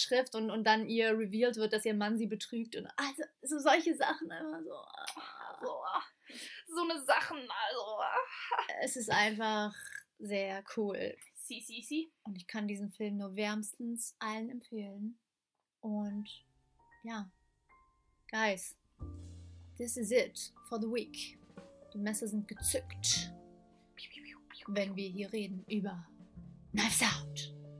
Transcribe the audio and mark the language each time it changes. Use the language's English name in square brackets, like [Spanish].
[German] Schrift und dann ihr revealed wird, dass ihr Mann sie betrügt. Und also so solche Sachen einfach so. So eine Sachen, also. Es ist einfach sehr cool. Si. Und ich kann diesen Film nur wärmstens allen empfehlen. Und ja. [English] Guys, this is it for the week. [German] Die Messer sind gezückt. Wenn wir hier reden über Knives Out.